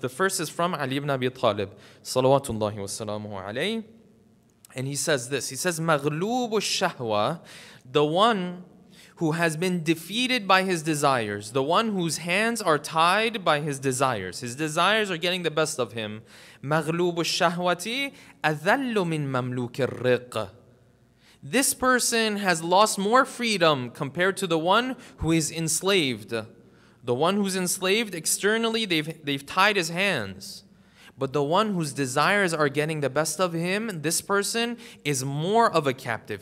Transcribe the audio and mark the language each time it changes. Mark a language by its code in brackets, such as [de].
[en] The first is from Ali ibn Abi Talib, salawatullahi wa salamuhu alayhi. And he says this, he says, [ar] مغلوب الشهوة, [en] the one who has been defeated by his desires, the one whose hands are tied by his desires are getting the best of him. [ar] مغلوب الشهوة أذل من مملوك الرق. [en] This person has lost more freedom compared to the one who is enslaved. The one who's enslaved externally, they've tied his hands. But the one whose desires are getting the best of him, this person is more of a captive.